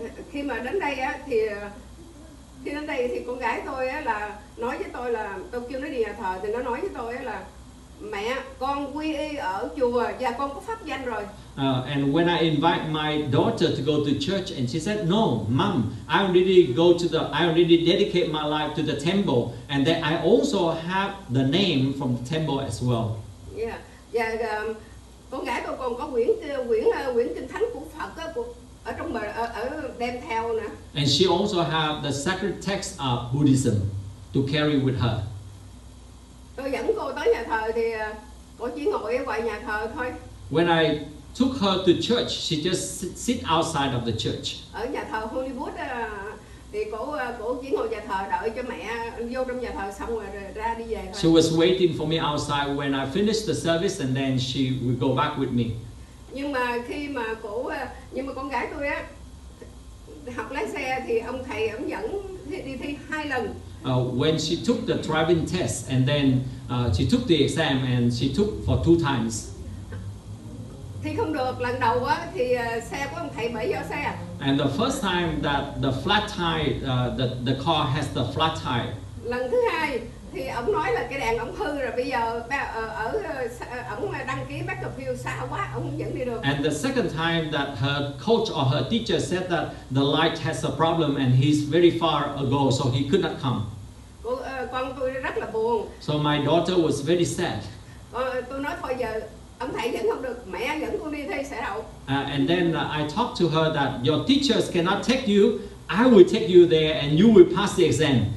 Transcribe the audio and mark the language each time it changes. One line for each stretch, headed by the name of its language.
Vietnamese: Khi mà đến đây á thì khi đến đây thì con gái tôi á là nói với tôi là tôi kêu nó đi nhà thờ thì nó nói với tôi á là mẹ con quy y ở chùa và con có pháp danh rồi.
English: And when I invite my daughter to go to church and she said no, mom, I already dedicate my life to the temple and that I also have the name from the temple as well. Yeah.
Vietnamese: Và con gái tôi còn có quyển kinh thánh của Phật á, ở trong đem theo nè.
English: And she also have the sacred text of Buddhism to carry with her.
Vietnamese: Tôi dẫn cô tới nhà thờ thì cô chỉ ngồi ở ngoài nhà thờ thôi.
English: When I took her to church. She just sit outside of the church.
Vietnamese: Ở nhà thờ Hollywood thì cổ chỉ ngồi nhà thờ đợi cho mẹ vô trong nhà thờ xong rồi ra đi về thôi.
English: She was waiting for me outside when I finished the service and then she would go back with me.
Vietnamese: Nhưng mà khi mà cổ nhưng mà con gái tôi á học lái xe thì ông thầy ổng dẫn đi thi hai lần.
English: When she took the driving test and then she took the exam and she took for two times.
Vietnamese: Thì không được, lần đầu á thì xe của ông thầy bể vỏ xe.
English: And the first time that the flat tire the car has the flat tire.
Vietnamese: Lần thứ hai thì ông nói là cái đèn ông hư rồi, bây giờ ông đăng ký
English: back of view
Vietnamese: xa quá, ông không dẫn đi được.
English: And the second time that her coach or her teacher said that the light has a problem and he's very far ago so he could not come.
Vietnamese: Con tôi rất là buồn.
English: So my daughter was very sad.
Vietnamese: Tôi nói thôi giờ ông thầy dẫn không được, mẹ dẫn con đi thi sẽ đậu.
English: And then I talked to her that your teachers cannot take you, I will take you there and you will pass the exam.